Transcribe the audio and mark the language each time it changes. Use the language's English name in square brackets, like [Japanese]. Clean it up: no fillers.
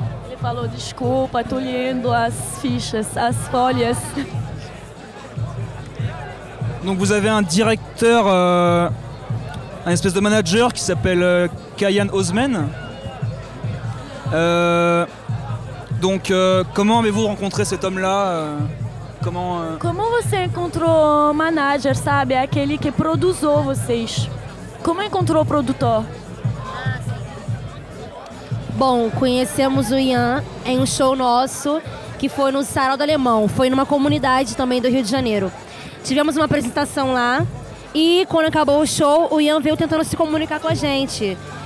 [Portuguese] Il falou, desculpa, tô lendo as fichas, as folhas. [French] Donc vous avez un directeur, un espèce de manager qui s'appelle Kayan Osman. Donc, comment avez-vous rencontré cet homme-là? Comment vous avez rencontré le manager, sabe? [Portuguese] Aquele que produziu vocês. Comment encontrou o produtor? Bom, conhecemos o Ian em um show nosso, que foi no Sarau do Alemão. Foi numa comunidade também do Rio de Janeiro. Tivemos uma apresentação lá e quando acabou o show, o Ian veio tentando se comunicar com a gente.